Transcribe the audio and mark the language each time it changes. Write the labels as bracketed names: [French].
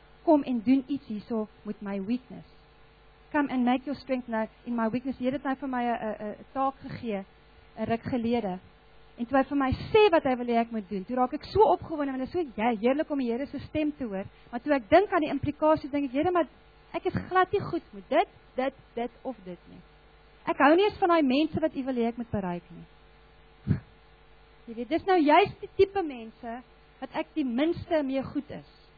[Afrikaans] Kom en doen iets hierso met my weakness. [English] Come and make your strength now in my weakness. [Afrikaans] Here het hy vir my 'n taak gegee, 'n ruk gelede. En toe hy vir my sê wat hy wil hê ek moet doen, toe raak ek so opgewonde, want ek sê, jy, heerlik om die Here se stem te hoor, maar toe ek dink aan die implikasies, dink ek, Here, maar ek is glad nie goed met dit of dit nie. Ek hou nie eens van daai mense wat u wil hê ek moet bereik nie. Jy weet, dis nou juist die tipe mense wat ek die minste mee goed is.